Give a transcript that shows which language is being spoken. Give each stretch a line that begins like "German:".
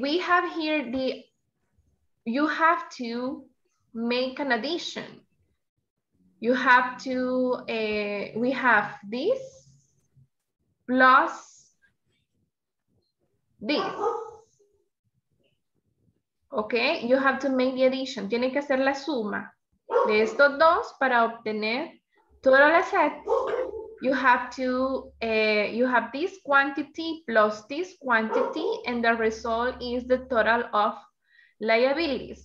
English: we have here you have to make an addition. You have to, we have this plus this. Okay, you have to make the addition.
Spanish: Tienen que hacer la suma de estos dos para obtener todos los sets.
English: You have to, you have this quantity plus this quantity, and the result is the total of liabilities.